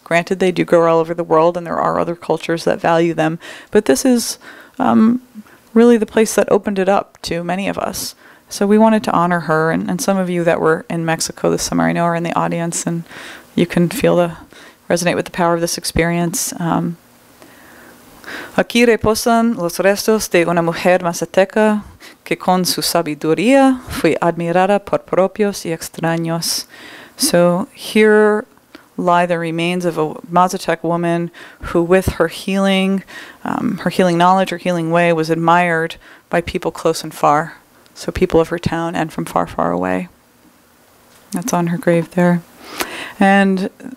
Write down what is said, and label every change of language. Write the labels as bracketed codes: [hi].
[en] Granted, they do grow all over the world, and there are other cultures that value them, but this is really the place that opened it up to many of us. So we wanted to honor her, and some of you that were in Mexico this summer, I know, are in the audience, and you can feel the resonate with the power of this experience. [es] Aquí reposan los restos de una mujer mazateca que con su sabiduría fue admirada por propios y extraños. [en] So here lie the remains of a Mazatec woman who, with her healing knowledge, her healing way, was admired by people close and far. So people of her town and from far, far away. That's on her grave there. And